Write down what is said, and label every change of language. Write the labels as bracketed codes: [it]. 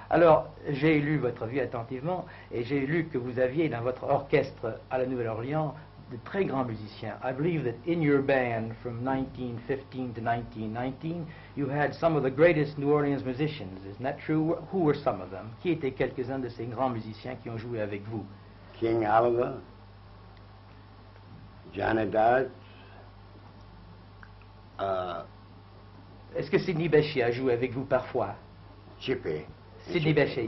[fr] Alors, j'ai lu votre vie attentivement et j'ai lu que vous aviez dans votre orchestre à la Nouvelle-Orléans de très grands musiciens. [en] I believe that in your band from 1915 to 1919, you had some of the greatest New Orleans musicians. Isn't that true? Who were some of them? [fr] Qui étaient quelques-uns de ces grands musiciens qui ont joué avec vous? [en] King Oliver, Johnny Dodge. [fr] Est-ce que Sidney Bechet a joué avec vous parfois? [en] Chippy. Sidney Bechet.